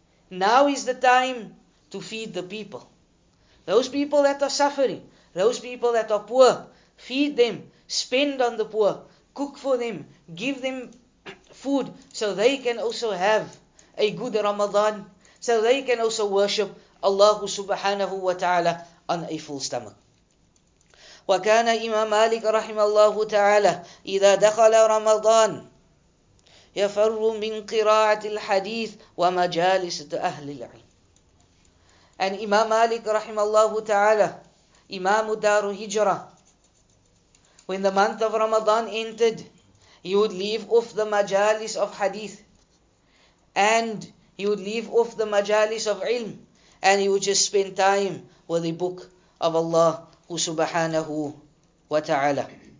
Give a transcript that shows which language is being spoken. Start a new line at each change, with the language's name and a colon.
English: Now is the time to feed the people. Those people that are suffering, those people that are poor, feed them, spend on the poor, cook for them, give them food so they can also have a good Ramadan, so they can also worship Allah subhanahu wa ta'ala on a full stomach.
Arabic: وكان إمام مالك رحمه الله تعالى إذا دخل رمضان يفر من قراءة الحديث ومجالس أهل العلم.
English: And Imam Malik rahimallahu ta'ala, Imam Daru Hijra, when the month of Ramadan entered, he would leave off the majalis of hadith, and he would leave off the majalis of ilm, and he would just spend time with the book of Allah subhanahu wa ta'ala.